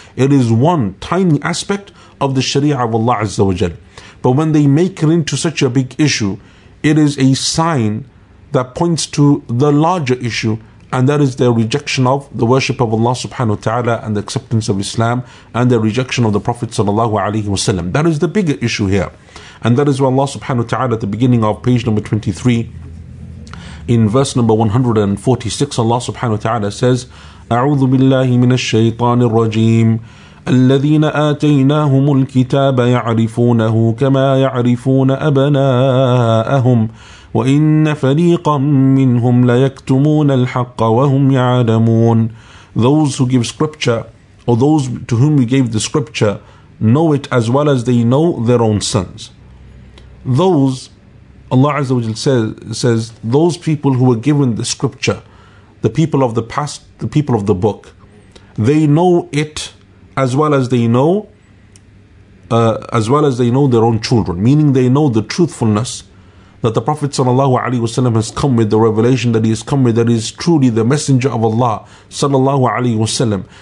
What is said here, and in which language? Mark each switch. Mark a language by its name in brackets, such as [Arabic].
[English] It is one tiny aspect of the Sharia of Allah Azza wa Jal. But when they make it into such a big issue, it is a sign that points to the larger issue, and that is their rejection of the worship of Allah subhanahu wa ta'ala and the acceptance of Islam and their rejection of the Prophet sallallahu alayhi wasallam. That is the bigger issue here. And that is why Allah subhanahu wa ta'ala, at the beginning of page number 23, in verse number 146, Allah subhanahu wa ta'ala says, [Arabic] أعوذ بالله من الشيطان الرجيم الذين آتيناهم الكتاب يعرفونه كما يعرفون أبناءهم وإن فريقا منهم ليكتمون الحق وهم يعلمون. [English] Those who give scripture, or those to whom we gave the scripture, know it as well as they know their own sons. Those, Allah Azza wa Jalla says, those people who were given the scripture, the people of the past, the people of the book, they know it as well as they know, their own children, meaning they know the truthfulness that the Prophet sallallahu alaihi wasallam has come with, the revelation that he has come with, that is truly the messenger of Allah sallallahu alaihi wasallam.